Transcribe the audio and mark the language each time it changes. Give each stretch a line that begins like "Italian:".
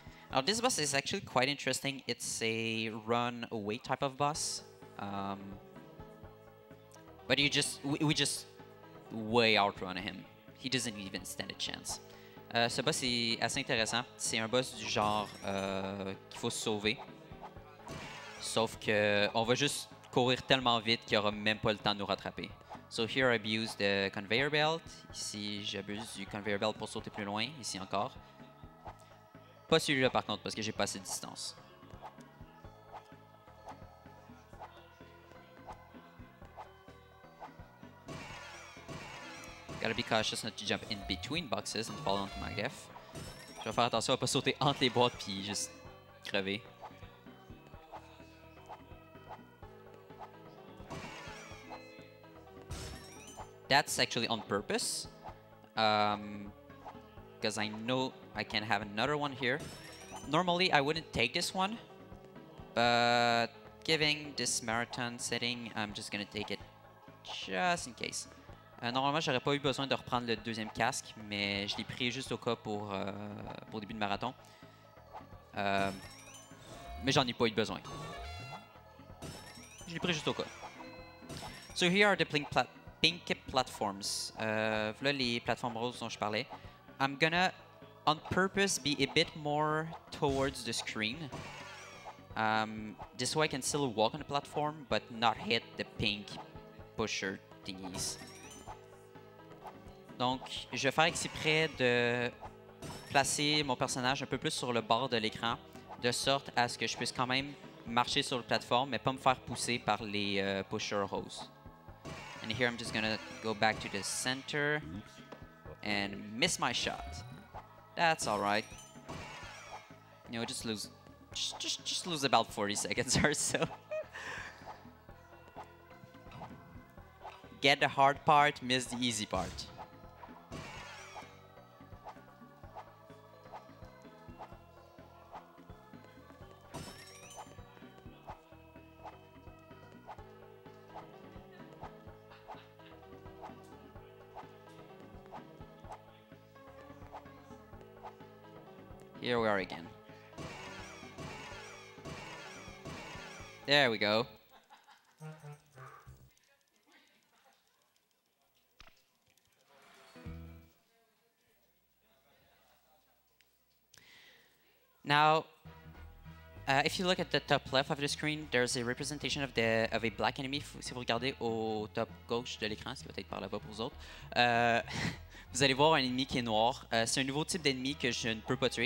English: Now this boss is actually quite interesting. It's a run away type of boss. But you just we just way outrun him. He doesn't even stand a chance.
French: Ce boss est assez intéressant. C'est un boss du genre qu'il faut sauver. Sauf que on va juste courir tellement vite qu'il n'aura même pas le temps de nous rattraper.
English: So here I abuse the conveyor belt.
French: Ici j'abuse du conveyor belt pour sauter plus loin. Ici encore. Pas celui-là par contre parce que j'ai pas assez de distance.
English: Gotta be cautious not to jump in between boxes and fall into my gaff.
French: Je vais faire attention à pas sauter entre les boîtes puis juste crever.
English: That's actually on purpose. Because I know I can have another one here. Normally I wouldn't take this one. But given this marathon setting, I'm just gonna take it just in case.
French: Normalement, j'aurais pas eu besoin de reprendre le deuxième casque, mais je l'ai pris juste au cas pour début de marathon. Mais j'en ai pas eu besoin. Je l'ai pris juste au cas.
English: So here are the pink platforms.
French: Voilà les plateformes roses dont je parlais.
English: I'm gonna, on purpose, be a bit more towards the screen. This way I can still walk on the platform, but not hit the pink pusher thingies. Donc, je vais faire exprès de placer mon personnage un peu plus sur le bord de l'écran, de sorte à ce que je puisse quand même marcher sur la plateforme, mais pas me faire pousser par les pusher hose. And here I'm just gonna go back to the center and miss my shot. That's alright. You know, just lose about 40 seconds or so. Get the hard part, miss the easy part. Here we are again. There we go. Now, if you look at the top left of the screen, there's a representation of a black enemy.
French: Si vous regardez au top gauche de l'écran, ce qui va être par là-bas pour vous autres. Vous allez voir un ennemi qui est noir. C'est un nouveau type d'ennemi que je ne peux pas tuer.